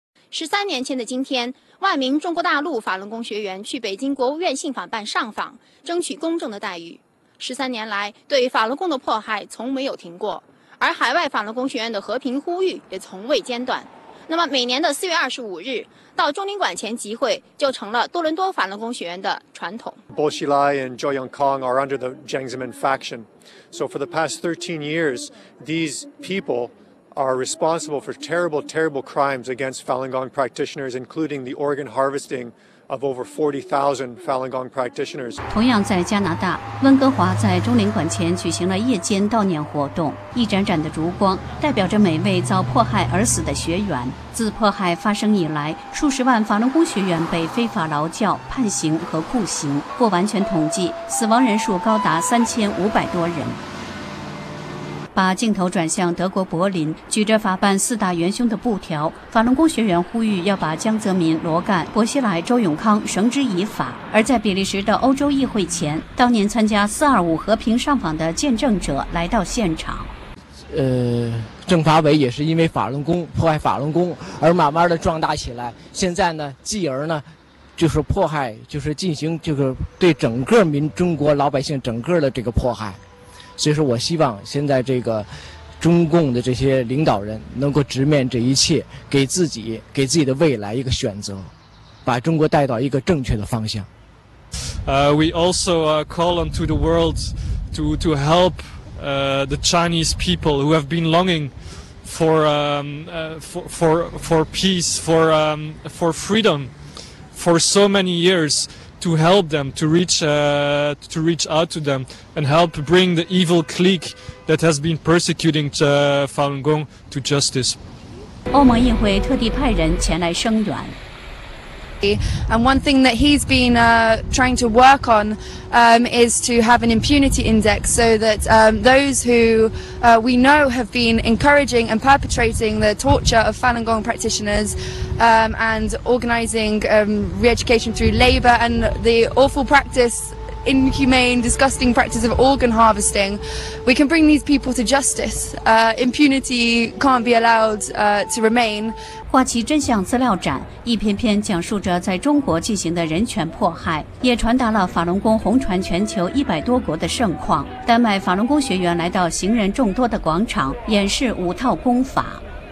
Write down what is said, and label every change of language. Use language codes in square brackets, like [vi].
[zh] 13年前的今天，万名中国大陆法轮功学员去北京国务院信访办上访，争取公正的待遇。 13年来，对法轮功的迫害从没有停过，而海外法轮功学院的和平呼吁也从未间断。那么每年的4月25日到中领馆前集会，就成了多伦多法轮功学院的传统。 [en] Bo Xilai and Zhou Yongkang are under the Jiang Zemin faction. So for the past 13 years, these people are responsible for terrible, terrible crimes against Falun Gong practitioners, including the organ harvesting of over 40,000 Falun Gong practitioners. [zh] 同样在加拿大，温哥华在中领馆前举行了夜间悼念活动。一盏盏的烛光代表着每位遭迫害而死的学员。自迫害发生以来，数十万法轮功学员被非法劳教、判刑和酷刑。不完全统计，死亡人数高达3500多人。把镜头转向德国柏林，举着法办四大元凶的布条，法轮功学员呼吁要把江泽民、罗干、薄熙来、周永康绳之以法。而在比利时的欧洲议会前，当年参加425和平上访的见证者来到现场。政法委也是因为法轮功迫害法轮功而慢慢的壮大起来，现在呢，继而呢，就是迫害，就是进行这个对整个民中国老百姓整个的这个迫害。所以说，我希望现在这个中共的这些领导人能够直面这一切，给自己的未来一个选择，把中国带到一个正确的方向。 [en] We also call on to the world to help the Chinese people who have been longing for peace, for freedom for so many years. To help them, to reach out to them, and help bring the evil clique that has been persecuting Falun Gong to justice. [zh] 欧盟议会特地派人前来声援。 [en] And one thing that he's been trying to work on is to have an impunity index so that those who we know have been encouraging and perpetrating the torture of Falun Gong practitioners and organizing re-education through labor and the awful practice, inhumane, disgusting practice of organ harvesting, we can bring these people to justice. Impunity can't be allowed to remain. [zh] 花旗真相资料展一篇篇讲述着在中国进行的人权迫害，也传达了法轮功红传全球100多国的盛况。丹麦法轮功学员来到行人众多的广场，演示5套功法。